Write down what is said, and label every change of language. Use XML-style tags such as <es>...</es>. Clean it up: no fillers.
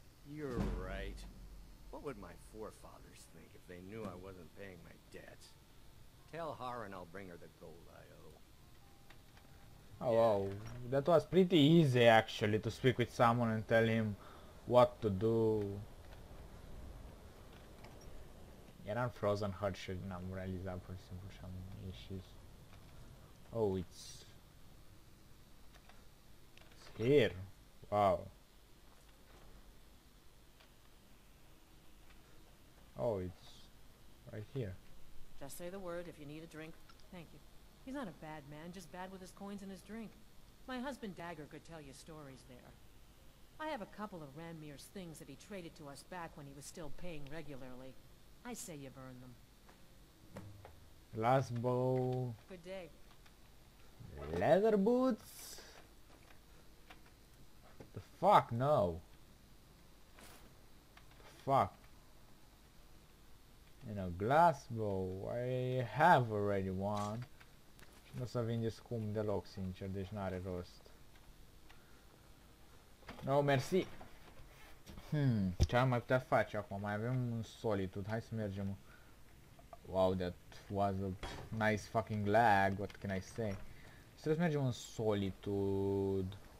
<en>You're right. What would my forefathers think if they knew I wasn't paying my debts? Tell Harren I'll bring her the gold I owe. Oh, wow. That was pretty easy, actually, to speak with someone and tell him what to do.</en> <ro>Era în Frozen Heart și n-am realizat pur și simplu și am ieșit.</ro> <en>Oh, it's here. Wow. Oh, it's right here. Just say the word if you need a drink. Thank you. He's not a bad man, just bad with his coins and his drink. My husband Dagger could tell you stories there. I have a couple of Ranmir's things that he traded to us back when he was still paying regularly. I say you burn them. Last bow. Good day. Leather boots? The fuck, no. The fuck. And a glass bow. I have already one.</en> <ro>Nu o să vinde scump deloc, sincer, deci n-are rost. No, mersi! Ce am mai putea face acum? Mai avem un solitude, hai să mergem.</ro> <en>Wow, that was a nice fucking lag, what can I say?</en> <ro>Și trebuie să mergem în solitude.</ro>